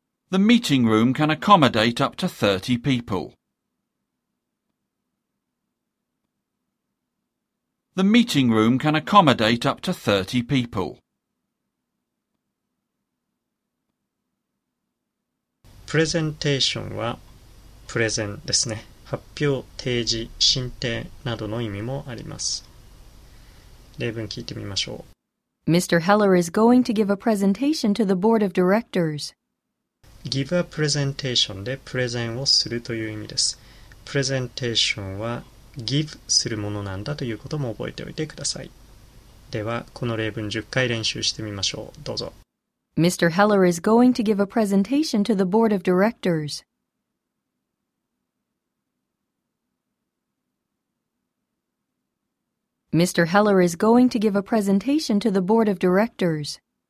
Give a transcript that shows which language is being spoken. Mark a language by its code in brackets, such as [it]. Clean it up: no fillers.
[en] The meeting room can accommodate up to 30 people. The meeting room can accommodate up to 30 people. [ja] プレゼンテーションはプレゼンですね。発表、提示、進展などの意味もあります。例文聞いてみましょう。 [en] Mr. Heller is going to give a presentation to the board of directors. Give a presentation [ja] でプレゼンをするという意味です。プレゼンテーションは give するものなんだということも覚えておいてください。では、この例文10回練習してみましょう。どうぞ。 [en] Mr. Heller is going to give a presentation to the board of directors. Mr. Heller is going to give a presentation to the board of directors.